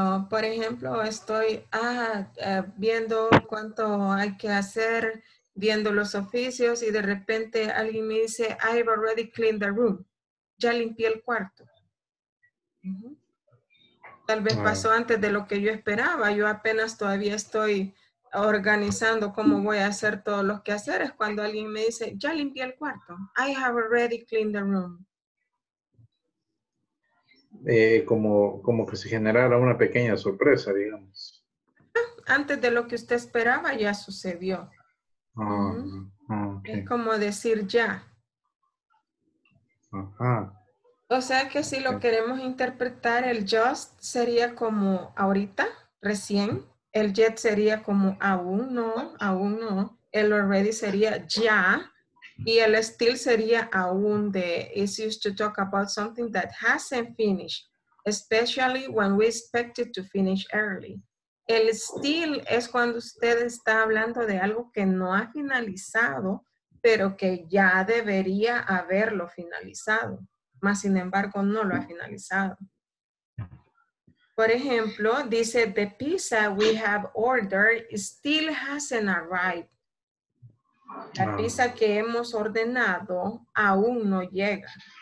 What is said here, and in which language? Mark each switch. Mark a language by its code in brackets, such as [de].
[es] Por ejemplo, estoy viendo cuánto hay que hacer, viendo los oficios, y de repente alguien me dice, [en] I've already cleaned the room. [es] Ya limpié el cuarto. Uh-huh. Tal vez pasó antes de lo que yo esperaba. Yo apenas todavía estoy organizando cómo voy a hacer todos los quehaceres cuando alguien me dice, ya limpié el cuarto. [en] I have already cleaned the room. [es] Como que se generara una pequeña sorpresa, digamos. Antes de lo que usted esperaba, ya sucedió. [en] Oh, okay. [es] Es como decir ya. Ajá. O sea que si lo queremos interpretar, el just sería como ahorita, recién. El yet sería como aún no. El already sería ya. Y el still sería aún de, [en] it's used to talk about something that hasn't finished. Especially when we expect it to finish early. [es] El still es cuando usted está hablando de algo que no ha finalizado, pero que ya debería haberlo finalizado. Más sin embargo, no lo ha finalizado. Por ejemplo, dice, [en] the pizza we have ordered still hasn't arrived. [es] La pizza que hemos ordenado aún no llega.